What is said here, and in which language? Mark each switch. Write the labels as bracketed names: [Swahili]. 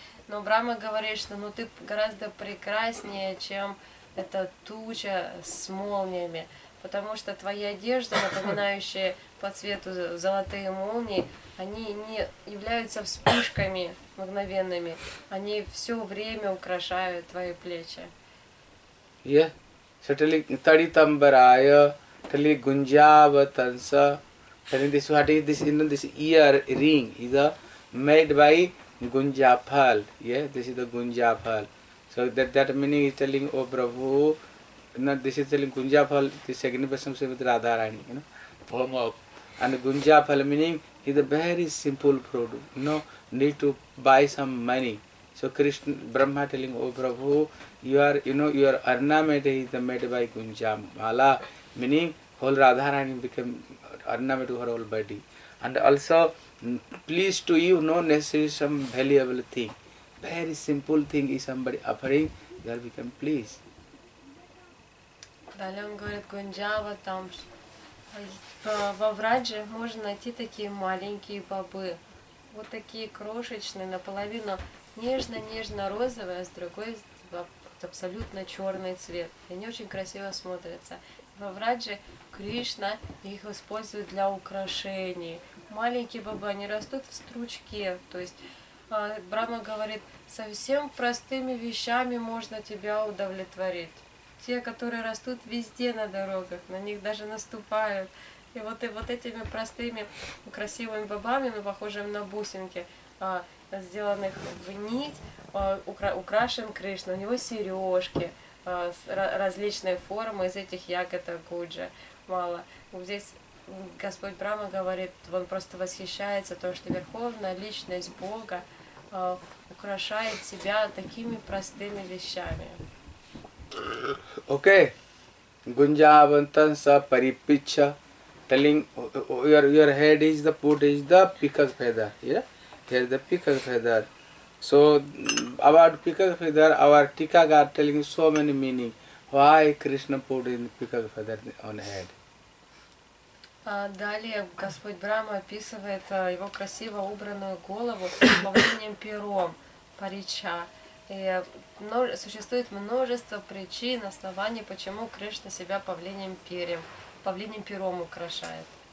[Russian] Но Брахма говорит, что ну ты гораздо прекраснее, чем эта туча с молниями, потому что твои одежды, напоминающие по цвету золотые молнии, они не являются вспышками мгновенными, они все время украшают твои плечи. [English] Yeah, so telling Taditambaraya, telling Gunjavatansa, telling this what is this, you know, this ear ring is made by Gunjaphal, yeah, this is the Gunjaphal. So that meaning is telling, oh Prabhu, you know, this is telling Gunjaphal, the second person is with Radharani, you know, form of. And Gunjaphal meaning is a very simple product, you know, need to buy some money. So Krishna, Brahma telling, oh Prabhu, your ornament is made by Gunjamala, meaning whole Radharani became ornament to her whole body. And also, please to you, no necessary some valuable thing. Very simple thing is somebody offering, you are become pleased. [Russian] Далее он говорит, Гунджава там, во Врадже можно найти такие маленькие бобы. Вот такие крошечные, наполовину нежно-нежно розовые, а с другой абсолютно черный цвет. Они очень красиво смотрятся. Во Врадже Кришна их использует для украшений. Маленькие бобы, они растут в стручке. То есть Брахма говорит, совсем простыми вещами можно тебя удовлетворить. Те, которые растут везде на дорогах, на них даже наступают. И вот этими простыми красивыми бобами, но похожими на бусинки, сделанных в нить, украшен Кришна. У него сережки различной формы из этих ягод гуджа. Мало. Вот здесь Господь Брахма говорит, он просто восхищается то, что Верховная Личность Бога украшает себя такими простыми вещами. Окей. [English] Gunjavantan sa paripicha, telling your head is the put is the peacock feather. Yeah? Here the peacock feather. So about peacock feather, our Tika got telling so many meaning. Why Krishna put in peacock feather on head? [Russian] Далее Господь Брама описывает его красиво убранную голову с плавленным пером парича. И существует множество причин, оснований, почему Кришна себя павлиньим пером украшает.